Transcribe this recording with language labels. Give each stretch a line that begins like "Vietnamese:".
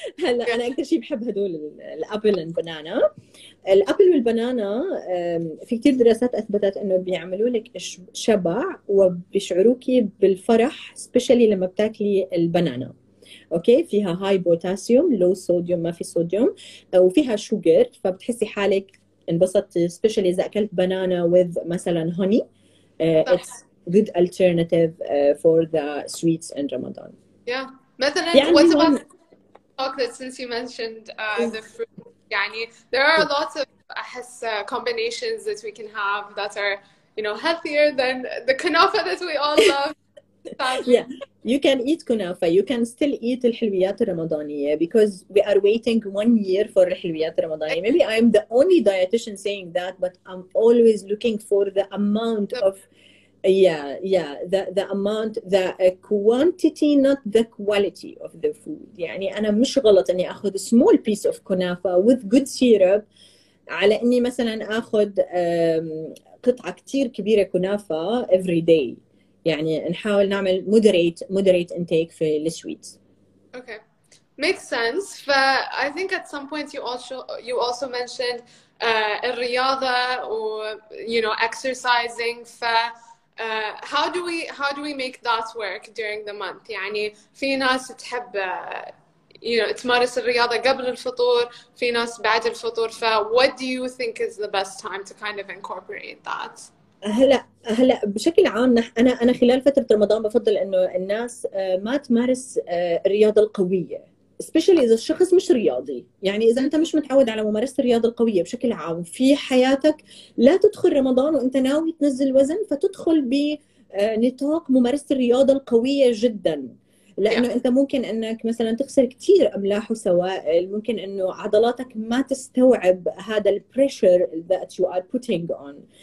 Arabic: هلا أنا أكثر شيء بحب هدول الأبل
English: and banana.
Arabic: الأبل والبنانا في كتير دراسات أثبتت إنه بيعملوا لك شبع وبيشعروكي بالفرح، especially لما بتاكلي البنانا. اوكي، فيها هاي بوتاسيوم، لو صوديوم، ما في صوديوم، وفيها شوجر، فبتحسي حالك انبسطتي، especially إذا أكلت بنانا
English: with
Arabic: مثلا honey. صح.
English: It's good alternative for the sweets in Ramadan. Yeah. مثلا
Arabic: في عندي
English: what about
Arabic: هون
English: chocolate since you mentioned the fruit يعني there are lots of I guess combinations that we can have that are you know healthier than the kanafa that we all love Yeah, you can eat kunafa, you can still eat
Arabic: الحلويات الرمضانية,
English: because we are waiting 1 year for الحلويات الرمضانية. Maybe I'm the only dietitian saying that, but I'm always looking for the amount of, the amount, the quantity, not the quality of the food.
Arabic: يعني أنا مش غلط إني أخذ
English: small piece of kunafa with good syrup
Arabic: على إني مثلا أخذ قطعة كتير كبيرة كنافة
English: every day.
Arabic: يعني نحاول نعمل
English: moderate intake
Arabic: في السويتس.
English: Okay, makes sense. But I think at some point you also mentioned
Arabic: الرياضة
English: or you know exercising. How do we make that work during the month?
Arabic: يعني في ناس تحب
English: you know
Arabic: تمارس الرياضة قبل الفطور، في ناس بعد الفطور.
English: What do you think is the best time to kind of incorporate that?
Arabic: هلا بشكل عام، انا خلال فتره رمضان بفضل انه الناس ما تمارس الرياضه القويه، especially اذا الشخص مش رياضي. يعني اذا انت مش متعود على ممارسه الرياضه القويه بشكل عام في حياتك، لا تدخل رمضان وانت ناوي تنزل وزن فتدخل بنطاق ممارسه الرياضه القويه جدا، لانه انت ممكن انك مثلا تخسر كثير املاح وسوائل، ممكن انه عضلاتك ما تستوعب هذا البريشر
English: that you are putting on.